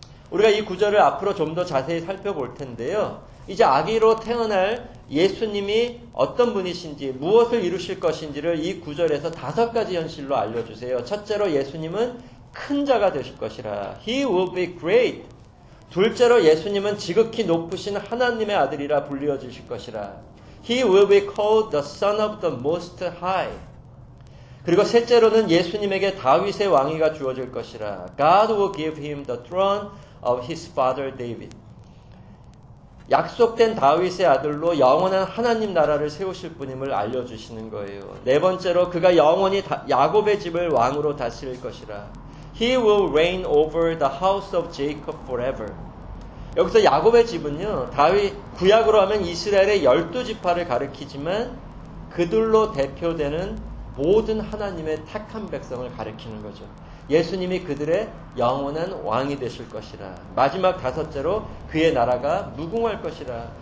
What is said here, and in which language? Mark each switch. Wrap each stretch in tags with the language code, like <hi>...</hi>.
<ko>우리가 이 구절을 앞으로 좀 더 자세히 살펴볼 텐데요. 이제 아기로 태어날 예수님이 어떤 분이신지, 무엇을 이루실 것인지를 이 구절에서 다섯 가지 현실로 알려주세요. 첫째로 예수님은 큰 자가 되실 것이라.</ko> <en>He will be great.</en> <ko>둘째로 예수님은 지극히 높으신 하나님의 아들이라 불리워지실 것이라.</ko> <en>He will be called the Son of the Most High.</en> <ko>그리고 셋째로는 예수님에게 다윗의 왕위가 주어질 것이라.</ko> <en>God will give him the throne of his father David.</en> <ko>약속된 다윗의 아들로 영원한 하나님 나라를 세우실 분임을 알려주시는 거예요. 네 번째로 그가 영원히 야곱의 집을 왕으로 다스릴 것이라.</ko> <en>He will reign over the house of Jacob forever.</en> <ko>여기서 야곱의 집은요, 다윗 구약으로 하면 이스라엘의 열두 지파를 가리키지만 그들로 대표되는 모든 하나님의 택한 백성을 가리키는 거죠. 예수님이 그들의 영원한 왕이 되실 것이라. 마지막 다섯째로 그의 나라가 무궁할 것이라.</ko>